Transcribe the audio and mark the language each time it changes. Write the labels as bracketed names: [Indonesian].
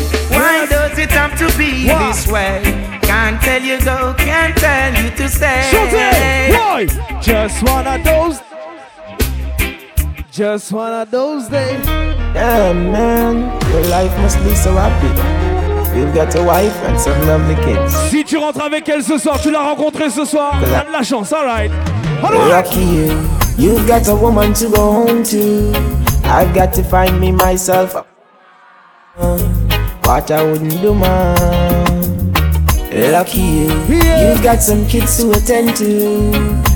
[English] Why does it have to be this way? Can't tell you go, can't tell you to stay. Why? Just one of those. Just one of those days. Damn man, your life must be so happy. You've got a wife and some lovely kids. [French] Si tu rentres avec elle ce soir, tu l'as rencontrée ce soir. T'as de la chance, alright. [English] Lucky you, you've got a woman to go home to. I've got to find me myself. What I wouldn't do, man. Lucky you, you've got some kids to attend to.